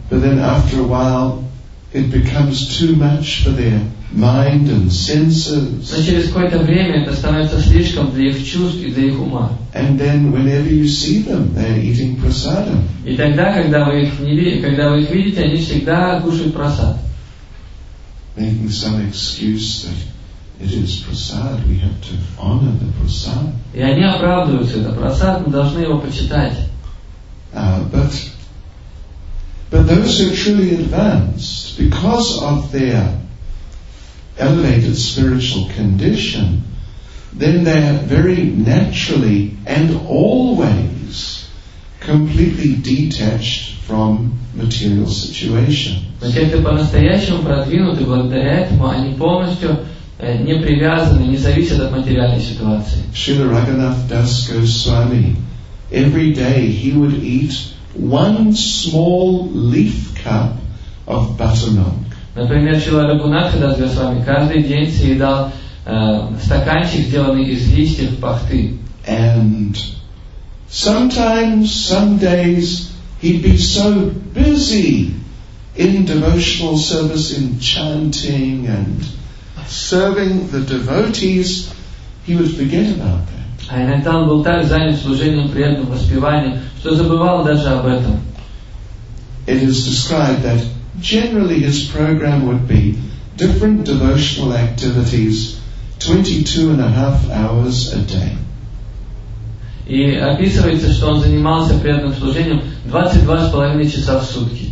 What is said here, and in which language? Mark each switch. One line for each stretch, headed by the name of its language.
English: But then after a while, it becomes too much for their mind and senses.
Russian: Но через какое-то время это становится слишком для их чувств и для их ума.
English: And then whenever you see them, they're eating prasadam.
Russian: И тогда, когда вы их не видите, когда вы их видите, они всегда кушают прасад.
English: Making some excuse that it is prasad, we have to honor the prasad.
Russian: И они оправдываются, это прасад, мы должны его почитать.
English: But those who are truly advanced, because of their elevated spiritual condition, then they are very naturally and always completely detached from material situations.
Russian: Но те, кто по-настоящему продвинуты, благодаря этому они полностью не привязаны, не зависят от материальной ситуации.
English: Srila Raghunath Das Goswami, every day he would eat one small leaf cup of buttermilk.
Russian: Например, Шрила Рагхунатха Дас Госвами каждый день съедал стаканчик, сделанный из листьев пахты.
English: And sometimes, some days, he'd be so busy in devotional service, in chanting and serving the devotees, he would forget about that.
Russian: А иногда он был так занят служением преданным, воспеванием, что забывал даже об этом.
English: It is described that generally, his program would be different devotional activities, 22.5 hours a day.
Russian: И описывается, что он занимался преданным служением 22.5 часа в сутки.